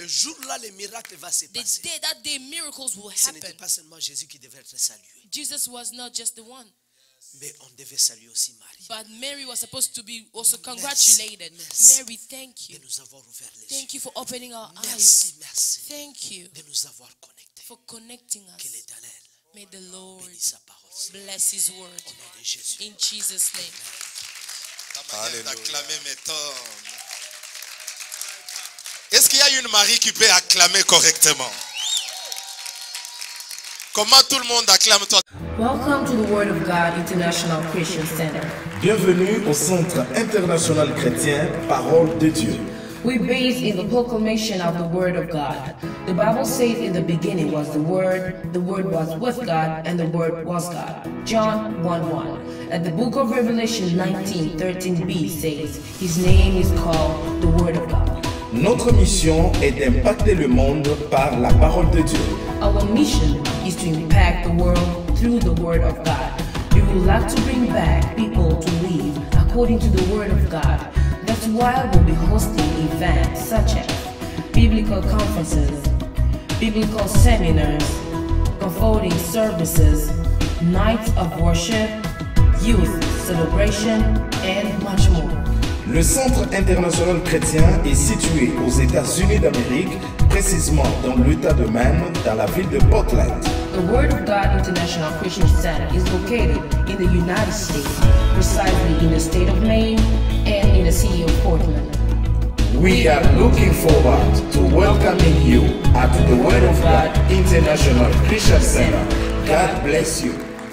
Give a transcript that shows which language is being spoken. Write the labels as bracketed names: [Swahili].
[French] Le jour là, les miracles vont se passer. [English] The day that the miracles will happen. [French] Ce n'était pas seulement Jésus qui devait être salué. [English] Jesus was not just the one. [French] Mais on devait saluer aussi Marie. [English] But Mary was supposed to be also congratulated. [French] Merci, [English] Mary, thank you. [French] De nous avoir ouvert les yeux. [English] Thank you for opening our [French] merci, [English] eyes. [French] Merci, merci. [English] Thank you. [French] De nous avoir connectés. [English] For connecting us. [French] Que l'Éternel. [English] May the Lord [French] bénisse sa parole. [English] Bless His word. [French] Au nom de Jésus. [English] In Jesus' name. Amen. [French] D'acclamer m'étonne. Est-ce qu'il y a une Marie qui peut acclamer correctement? Comment tout le monde acclame-toi? [English] Welcome to the Word of God International Christian Center. [French] Bienvenue au Centre International Chrétien Parole de Dieu. [English] We base in the proclamation of the word of God. The Bible says in the beginning was the word was with God, and the word was God. John 1:1. And the book of Revelation 19:13b says, his name is called the word of God. [French] Notre mission est d'impacter le monde par la parole de Dieu. [English] Our mission is to impact the world through the word of God. We would love to bring back people to live according to the word of God. That's why we'll be hosting events such as biblical conferences, biblical seminars, comforting services, nights of worship, youth celebration, and much more. [French] Le Centre international chrétien est situé aux États-Unis d'Amérique, précisément dans l'État de Maine, dans la ville de Portland. [English] The Word of God International Christian Center is located in the United States, precisely in the state of Maine and in the city of Portland. We are looking forward to welcoming you at the Word of God International Christian Center. God bless you.